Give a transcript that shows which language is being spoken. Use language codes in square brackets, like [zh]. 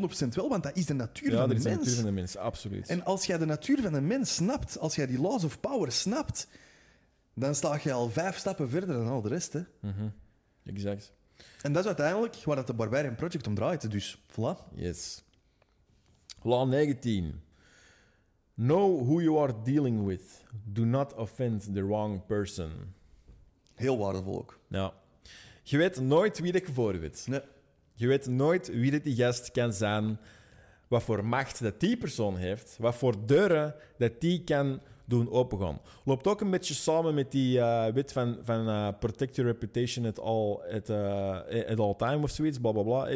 [nl] 100% wel, want dat is de natuur van de mens. Ja, dat is de natuur van de mens, absoluut. En als jij de natuur van de mens snapt, als jij die laws of power snapt, dan sta je al 5 stappen verder dan al de rest. Hè. Mm-hmm. Exact. En dat is uiteindelijk waar het de Barbarian Project om draait. Dus, voilà. [en] Yes. Law 19. Know who you are dealing with. Do not offend the wrong person. [nl] Heel waardevol ook. Ja. Je weet nooit wie dat je voor weet. Nee. Je weet nooit wie dat die gast kan zijn. Wat voor macht dat die persoon heeft. Wat voor deuren dat die kan doen opengaan. Loopt ook een beetje samen met die wet van [en] protect your reputation at all time [nl] of zoiets, bla bla bla.